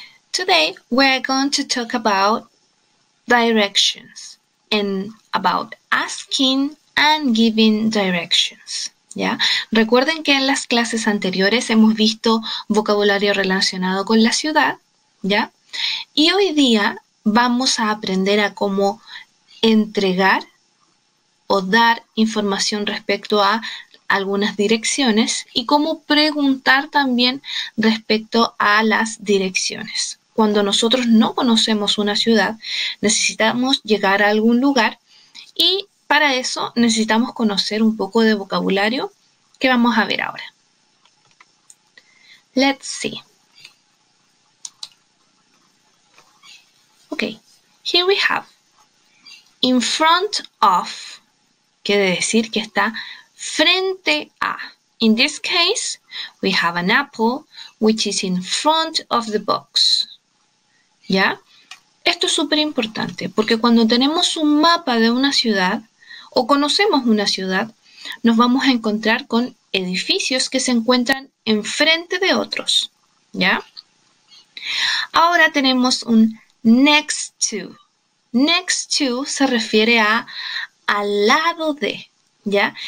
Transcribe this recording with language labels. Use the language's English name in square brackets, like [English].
[English] Today we're going to talk about directions and about asking and giving directions. [Spanish] ¿Ya? Recuerden que en las clases anteriores hemos visto vocabulario relacionado con la ciudad, ¿ya? Y hoy día vamos a aprender a cómo entregar o dar información respecto a algunas direcciones y cómo preguntar también respecto a las direcciones. Cuando nosotros no conocemos una ciudad, necesitamos llegar a algún lugar y para eso necesitamos conocer un poco de vocabulario que vamos a ver ahora. [English] Let's see. Okay, here we have. In front of. [Spanish] Quiere decir que está frente a. [English] In this case, we have an apple, which is in front of the box. [Spanish] ¿Ya? Esto es súper importante, porque cuando tenemos un mapa de una ciudad, o conocemos una ciudad, nos vamos a encontrar con edificios que se encuentran enfrente de otros. ¿Ya? Ahora tenemos un next to. Next to se refiere a al lado de, ¿ya?